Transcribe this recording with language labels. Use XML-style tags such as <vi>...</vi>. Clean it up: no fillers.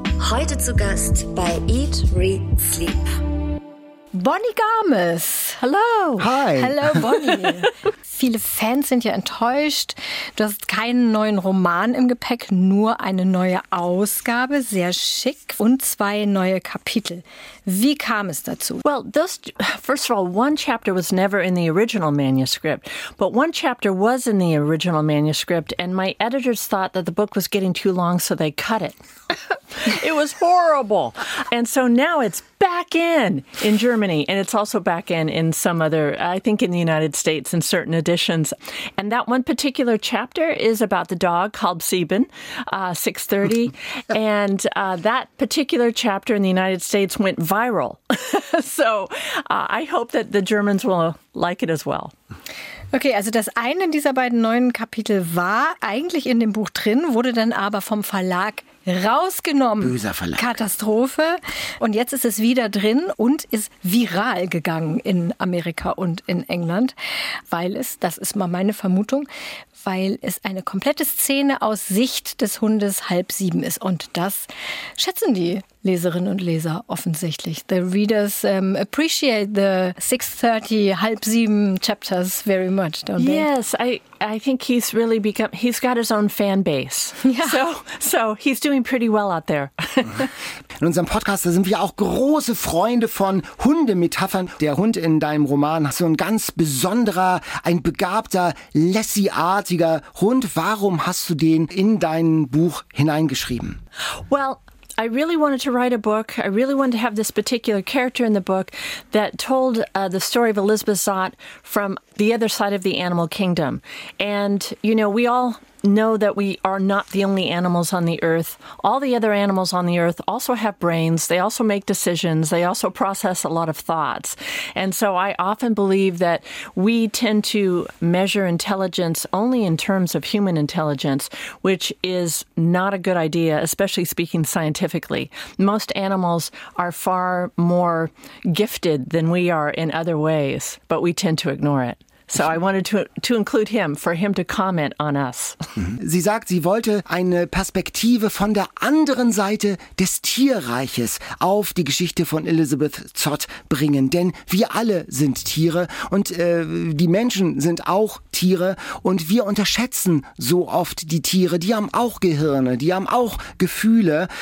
<de>Heute zu Gast bei Eat, Read, Sleep. Bonnie Garmes. Hallo.</de> <en>Hi.</en> <de>Hallo, Bonnie. Viele Fans sind ja enttäuscht. Du hast keinen neuen Roman im Gepäck, nur eine neue Ausgabe, sehr schick, und zwei neue Kapitel. Wie kam es dazu?</de> <en>Well, first of all, one chapter was never in the original manuscript, but one chapter was in the original manuscript, and my editors thought that the book was getting too long, so they cut it. It was horrible. And so now it's back in Germany, and it's also back in some other, I think in the United States, in certain editions. And that one particular chapter is about the dog called Sieben, 630. And that particular chapter in the United States went viral. So I hope that the Germans will like it as well.</en> <de>Okay, also das eine dieser beiden neuen Kapitel war eigentlich in dem Buch drin, wurde dann aber vom Verlag rausgenommen. Böser Verlag. Katastrophe. Und jetzt ist es wieder drin und ist viral gegangen in Amerika und in England, weil es, das ist mal meine Vermutung, weil es eine komplette Szene aus Sicht des Hundes halb sieben ist. Und das schätzen die Leserinnen und Leser offensichtlich.</de> <en>The readers appreciate the 6:30 halb sieben chapters very much, don't they? Yes, I think he's really become, he's got his own fan base. Yeah. So he's doing pretty well out there.</en> <de>In unserem Podcast, da sind wir auch große Freunde von Hundemetaphern. Der Hund in deinem Roman ist so ein ganz besonderer, ein begabter, Lassie-artiger Hund. Warum hast du den in dein Buch hineingeschrieben?</de> <en>Well, I really wanted to write a book. I really wanted to have this particular character in the book that told the story of Elizabeth Zott from the other side of the animal kingdom. And, you know, we all know that we are not the only animals on the earth. All the other animals on the earth also have brains. They also make decisions. They also process a lot of thoughts. And so I often believe that we tend to measure intelligence only in terms of human intelligence, which is not a good idea, especially speaking scientifically. Most animals are far more gifted than we are in other ways, but we tend to ignore it. So I wanted to include him, for him to comment on us.</en> <de>Sie sagt, sie wollte eine Perspektive von der anderen Seite des Tierreiches auf die Geschichte von Elizabeth Zott bringen. Denn wir alle sind Tiere und die Menschen sind auch Tiere. Und wir unterschätzen so oft die Tiere. Die haben auch Gehirne, die haben auch Gefühle.</de>